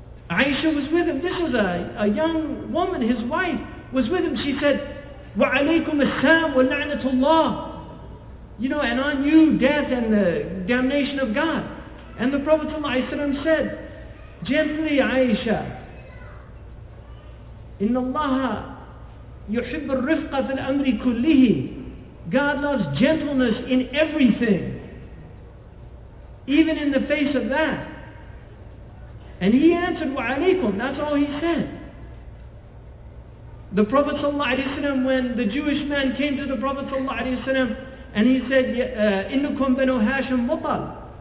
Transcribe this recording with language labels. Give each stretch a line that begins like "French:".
English: Aisha was with him. This was a young woman, his wife, was with him. She said,
Arabic: Wa alaykum assalam wa la'natullah.
English: You know, and on you, death and the damnation of God. And the Prophet ﷺ said, gently, Aisha,
Arabic: إن الله يحب الرفقة في الأمر كله.
English: God loves gentleness in everything. Even in the face of that. And he answered, وَعَلَيْكُمْ. That's all he said. The Prophet ﷺ, when the Jewish man came to the Prophet ﷺ, and he said,
Arabic: إِنُّكُمْ بَنُو هَاشِمْ مُطَلْ.